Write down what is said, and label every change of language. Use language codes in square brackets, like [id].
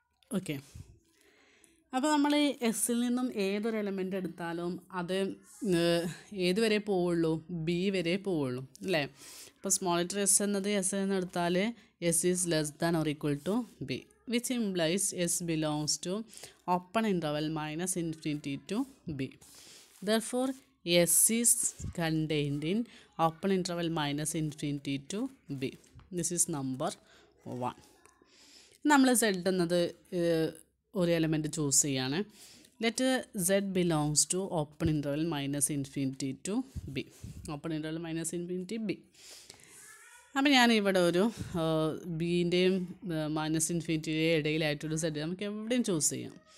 [ml] Okay, അപ്പോൾ നമ്മൾ എസ്സിൽ നിന്നും ഏതൊരു എലമെൻ്റ് എടുത്താലും അത് ഏത് വരെ പോവുള്ളൂ? ബി വരെ പോവുള്ളൂ അല്ലേ. അപ്പോൾ സ്മോൾ ലെറ്റർ എസ് എന്നത് എസ് എന്ന് എടുത്താൽ [en] S is less than or equal to B. which implies S belongs to open interval minus infinity to B. Therefore, S is contained in open interval minus infinity to B. This is number 1. [ml] നമ്മൾ Z എന്നത് ഒരു element choose ചെയ്യാണ്. [en] Let Z belongs to open interval minus infinity to B. Open interval minus infinity B. [ml] അപ്പം ഞാനിവിടെ ഒരു ബീൻ്റെയും minus ഇൻഫിനിറ്റിയുടെയും ഇടയിലായിട്ടൊരു Z നമുക്ക് എവിടെയും choose ചെയ്യാം.